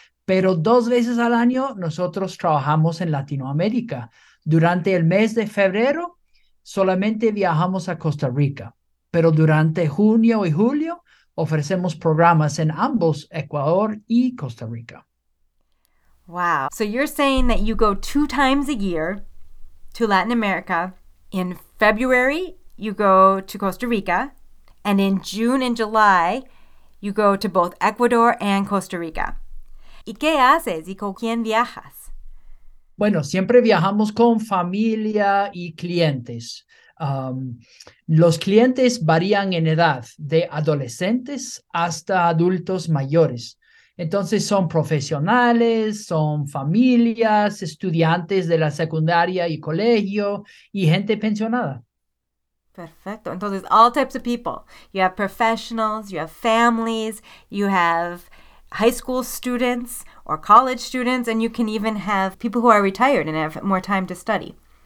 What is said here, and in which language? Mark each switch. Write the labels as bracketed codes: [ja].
[es] Pero dos veces al año nosotros trabajamos en Latinoamérica. Durante el mes de febrero solamente viajamos a Costa Rica. Pero durante junio y julio ofrecemos programas en ambos Ecuador y Costa Rica. [en] Wow. So you're saying that you go 2 times a year to Latin America. In February, you go to Costa Rica. And in June and July, you go to both Ecuador and Costa Rica. [es] ¿Y qué haces? ¿Y con quién viajas? Bueno, siempre viajamos con familia y clientes. Los clientes varían en edad, de adolescentes hasta adultos mayores. Entonces son profesionales, son familias, estudiantes de la secundaria y colegio y gente pensionada. Perfecto. Entonces, [en] all types of people. You have professionals, you have families, you have high school students or college students, and you can even have people who are retired and have more time to study.